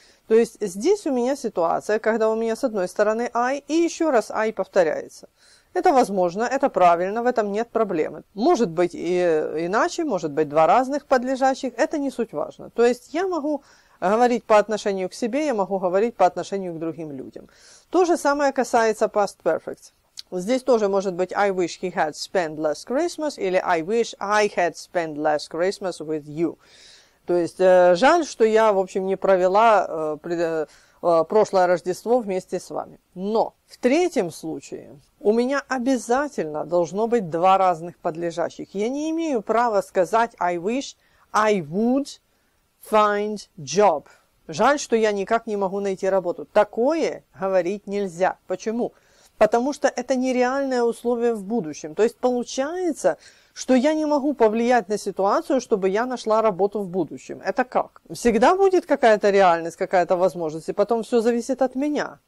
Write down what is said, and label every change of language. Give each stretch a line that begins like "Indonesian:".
Russian: То есть здесь у меня ситуация, когда у меня с одной стороны I, и еще раз I повторяется. Это возможно, это правильно, в этом нет проблемы. Может быть и иначе, может быть два разных подлежащих, это не суть важно. То есть я могу говорить по отношению к себе, я могу говорить по отношению к другим людям. То же самое касается past perfect. Здесь тоже может быть
English: I wish he had spent last Christmas или I wish I had spent last Christmas with you.
Russian: То есть жаль, что я, в общем, не провела прошлое Рождество вместе с вами. Но в третьем случае у меня обязательно должно быть два разных подлежащих. Я не имею права сказать
English: I wish I would find job.
Russian: Жаль, что я никак не могу найти работу. Такое говорить нельзя. Почему? Потому что это нереальное условие в будущем. То есть получается, что я не могу повлиять на ситуацию, чтобы я нашла работу в будущем. Это как? Всегда будет какая-то реальность, какая-то возможность, и потом все зависит от меня.